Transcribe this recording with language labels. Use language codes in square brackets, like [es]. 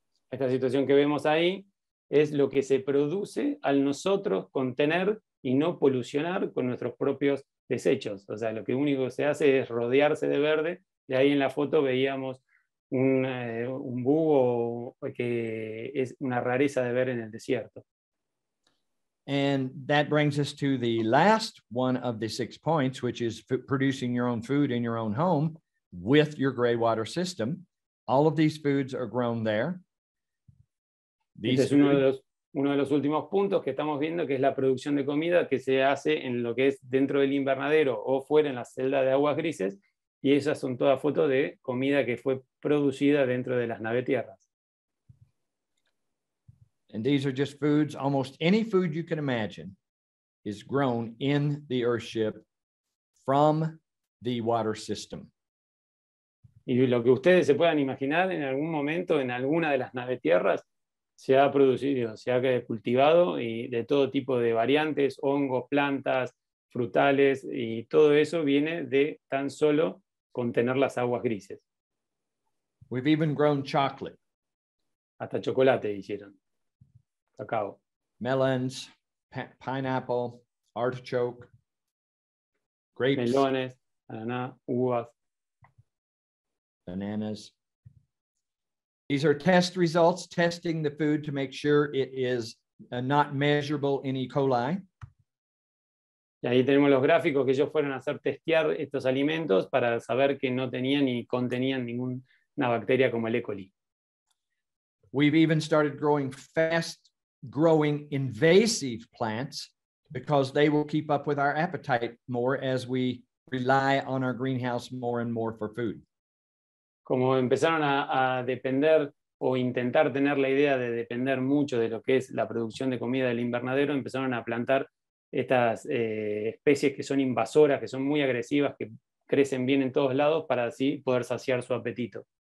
[es] Esta situación que vemos ahí es lo que se produce al nosotros contener y no polucionar con nuestros propios desechos. O sea, lo que único se hace es rodearse de verde. Y ahí en la foto veíamos un búho que es una rareza de ver en el desierto. [en] And that brings us to the last one of the 6 points, which is producing your own food in your own home with your gray water system. All of these foods are grown there. [es] Este es uno de los últimos puntos que estamos viendo, que es la producción de comida que se hace en lo que es dentro del invernadero o fuera en la celda de aguas grises. Y esas son todas fotos de comida que fue producida dentro de las navetierras. [en] And these are just foods, almost any food you can imagine is grown in the Earthship from the water system. [es] Y lo que ustedes se puedan imaginar en algún momento en alguna de las naves tierras se ha producido, se ha cultivado y de todo tipo de variantes, hongos, plantas, frutales y todo eso viene de tan solo contener las aguas grises. [en] We've even grown chocolate. [es] Hasta chocolate hicieron. Cacao. [en] Melons, pineapple, artichoke, grapes, [es] melones, ananá, uvas, [en] bananas. These are test results, testing the food to make sure it is not measurable in E. coli. [es] Y ahí tenemos los gráficos que ellos fueron a hacer testear estos alimentos para saber que no tenían ni contenían ninguna bacteria como el E. coli. [en] We've even started growing fast-growing invasive plants because they will keep up with our appetite more as we rely on our greenhouse more and more for food. [es] Como empezaron a depender o intentar tener la idea de depender mucho de lo que es la producción de comida del invernadero, empezaron a plantar estas especies que son invasoras, que son muy agresivas, que crecen bien en todos lados para así poder saciar su apetito.